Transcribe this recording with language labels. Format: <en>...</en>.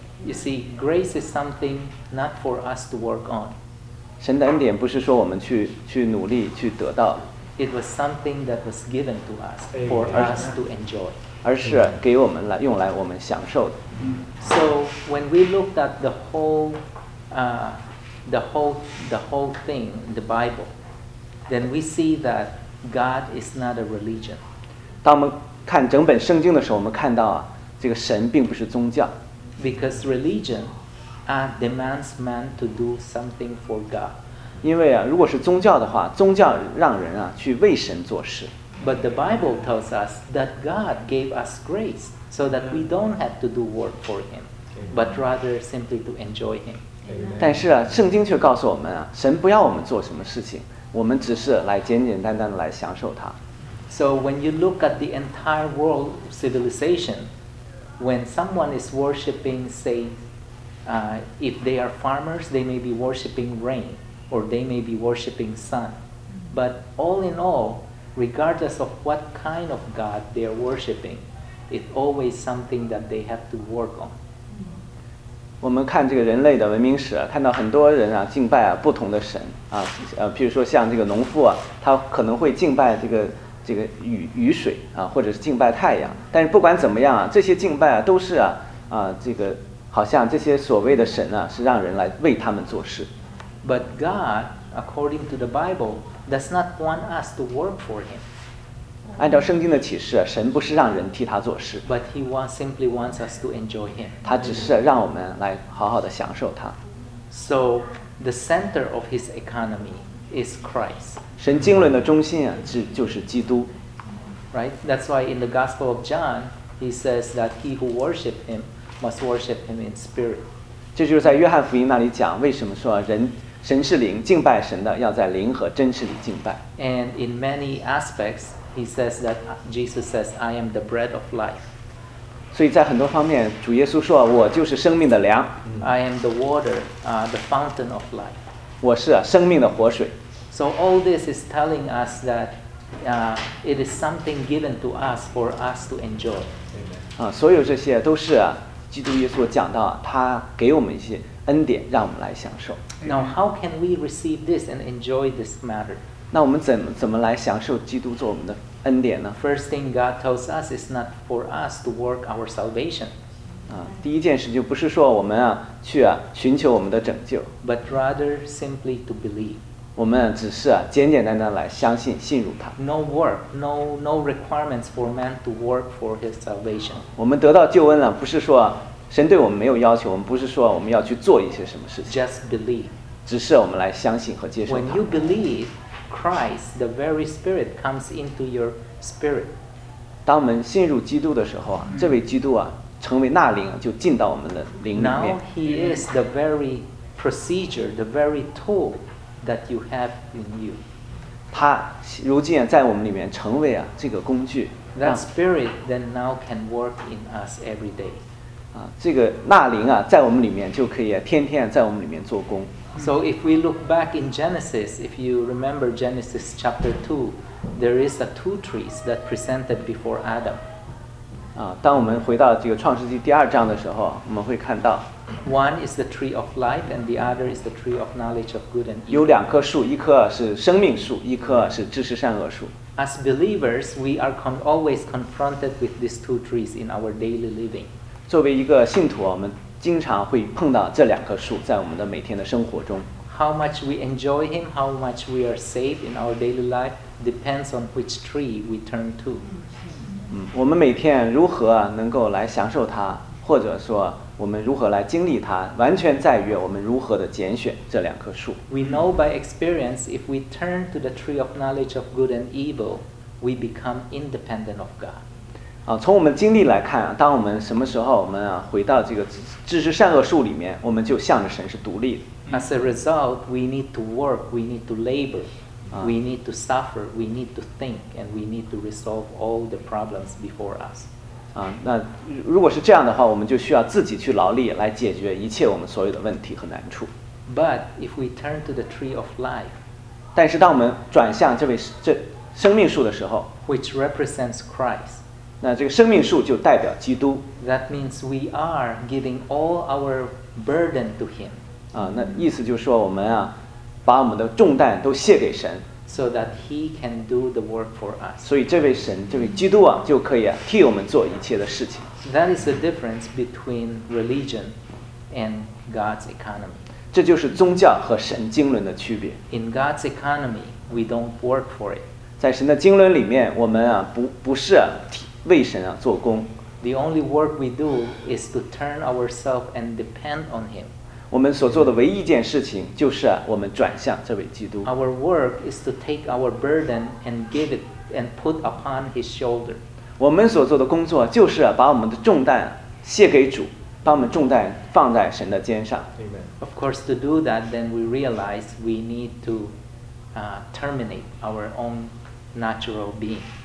<en>You see, grace is something not for us to work on.</en> <zh>神的恩典不是说我们去努力去得到。</zh> <en>It was something that was given to us for us to enjoy.</en> <zh>而是给我们来用来我们享受的。</zh> <en>So when we looked at the whole thing in the Bible, then we see that God is not a religion.</en> <zh>当我们看整本圣经的时候，我们看到啊。这个神并不是宗教</zh> <en>Because religion demands man to do something for God</en> <zh>因为啊如果是宗教的话宗教让人啊去为神做事</zh> <en>But the Bible tells us that God gave us grace so that we don't have to do work for him but rather simply to enjoy him、 Amen.</en> <zh>但是啊圣经却告诉我们啊神不要我们做什么事情我们只是来简简单单的来享受他</zh> <en>So when you look at the entire world civilizationWhen someone is worshipping, say, if they are farmers, they may be worshipping rain, or they may be worshipping sun. But all in all, regardless of what kind of God they are worshipping, it's always something that they have to work on.</en> <zh>我们看这个人类的文明史，看到很多人啊敬拜啊不同的神啊，譬如说像这个农夫啊，他可能会敬拜这个雨水啊，或者是敬拜太阳，但是不管怎么样啊，这些敬拜啊，都是这个好像这些所谓的神啊，是让人来为他们做事。</zh> <en>But God, according to the Bible, does not want us to work for Him.</en> <zh>按照圣经的启示，神不是让人替他做事。</zh> <en>But He simply wants us to enjoy Him.</en> <zh>他只是让我们来好好的享受他。</zh> <en>So the center of His economy is Christ.</en> <zh>神经纶的中心啊，就是基督。</zh> <en>Right, that's why in the Gospel of John, he says that he who worship him must worship him in spirit.</en> <zh>这就是在约翰福音那里讲，为什么说神是灵，敬拜神的要在灵和真实里敬拜。</zh> <en>And in many aspects, he says that Jesus says, "I am the bread of life."</en> <zh>所以在很多方面，主耶稣说，我就是生命的粮。</zh> <en>I am the water, the fountain of life.</en> <zh>我是啊，生命的活水。</zh> <en>So all this is telling us that it is something given to us for us to enjoy.</en> <zh>所有这些都是基督耶稣讲到，他给我们一些恩典，让我们来享受。</zh> <en>Now how can we receive this and enjoy this matter?</en> <zh>那我们怎么来享受基督做我们的恩典呢</zh> <en>？First thing God tells us is not for us to work our salvation.</en> <zh>第一件事就不是说我们啊去啊寻求我们的拯救</zh> <en>，but rather simply to believe。</en> <zh>我们只是啊简简单单来相信信入他。</zh> <en>No work, no requirements for man to work for his salvation。</en> <zh>我们得到救恩了，不是说神对我们没有要求，我们不是说我们要去做一些什么事情。</zh> <en>Just believe。</en> <zh>只是我们来相信和接受他。</zh> <en>When you believe, Christ, the very Spirit comes into your spirit。</en> <zh>当我们信入基督的时候啊，这位基督啊。成为那灵就进到我们的灵里面。</zh> <en>Now he is the very procedure, the very tool that you have in you.</en> <zh>他如今在我们里面成为啊这个工具。</zh> <en>That spirit then now can work in us every day.</en> <zh>啊，这个那灵啊在我们里面就可以天天在我们里面做工。</zh> <en>So if we look back in Genesis, if you remember Genesis chapter 2, there is a two trees that presented before Adam.</en> <zh>啊，当我们回到这个创世纪第二章的时候，我们会看到</zh> <en>，One is the tree of life, and the other is the tree of knowledge of good and evil.</en> <zh>有两棵树，一棵是生命树，一棵是知识善恶树。</zh> <en>As believers, we are always confronted with these two trees in our daily living.</en> <zh>作为一个信徒，我们经常会碰到这两棵树在我们的每天的生活中。</zh> <en>How much we enjoy him, how much we are saved in our daily life depends on which tree we turn to.</en> <zh>我们每天如何能够来享受它，或者说我们如何来经历它，完全在于我们如何的拣选这两棵树。</zh> <en>We know by experience, if we turn to the tree of knowledge of good and evil, we become independent of God.</en> <zh>从我们经历来看，当我们什么时候我们回到这个知识善恶树里面，我们就向着神是独立的。</zh> <en>As a result, we need to work, we need to labor. We need to suffer, we need to think, and we need to resolve all the problems before us.</en> <zh>那如果是这样的话，我们就需要自己去劳力来解决一切我们所有的问题和难处。</zh> <en>But if we turn to the tree of life,</en> <zh>但是当我们转向这生命树的时候</zh> <en>，which represents Christ,</en> <zh>那这个生命树就代表基督。</zh> <en>That means we are giving all our burden to Him.</en> <zh>那意思就是说我们啊。把我们的重担都卸给神</zh> <en>，so that He can do the work for us.</en> <zh>所以这位神，这位基督啊，就可以啊替我们做一切的事情。</zh> <en>That is the difference between religion and God's economy.</en> <zh>这就是宗教和神经纶的区别。</zh> <en>In God's economy, we don't work for it.</en> <zh>在神的经纶里面，我们啊不是啊为神啊做工。</zh> <en>The only work we do is to turn ourselves and depend on Him.</en> <zh>我们所做的唯一一件事情就是我们转向这位基督。</zh> <en>Our work is to take our burden and give it and put upon His shoulder.</en> <zh>我们所做的工作就是把我们的重担卸给主，把我们重担放在神的肩上。</zh> <en>Of course, to do that, then we realize we need to terminate our own natural being.</en>